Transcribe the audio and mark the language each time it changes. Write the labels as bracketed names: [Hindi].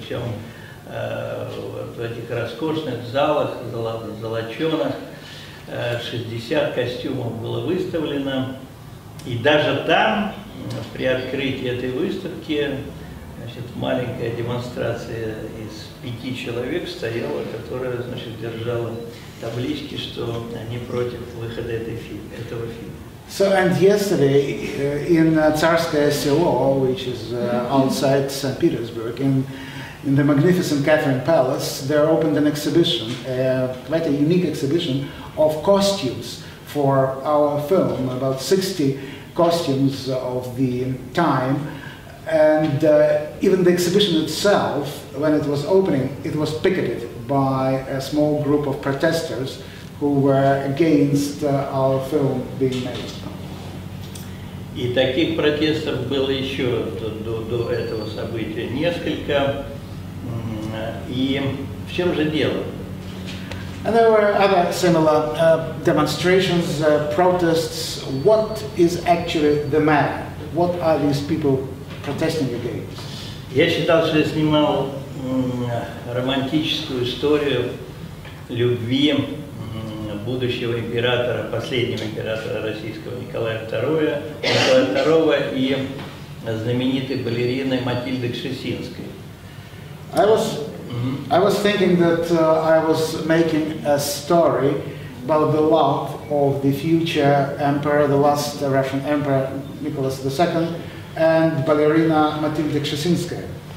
[Russian] Причем вот в этих роскошных залах, золоченых, 60 костюмов было выставлено. И даже там, при открытии этой выставки, значит, маленькая демонстрация из 5 человек стояла, которая, значит, держала таблички, что они против выхода этого фильма. [English] So, and yesterday in Tsarskoye Selo, which is outside St. Petersburg, in the magnificent Catherine Palace, there opened an exhibition, quite a unique exhibition, of costumes for our film, about 60 costumes of the time. And even the exhibition itself, when it was opening, it was picketed by a small group of protesters who were against our film being made. [Russian] И таких протестов было еще до этого события несколько. И в чем же дело? [English] And there were other similar demonstrations, protests. What is actually the matter? What are these people protesting against? [Russian] Я считал, что я снимал романтическую историю любви будущего императора, последнего императора российского Николая II и знаменитой балерины Матильды Кшесинской. [English] I was thinking that I was making a story about the love of the future emperor, the last Russian emperor, Nicholas II, and ballerina Matilda Kshesinskaya.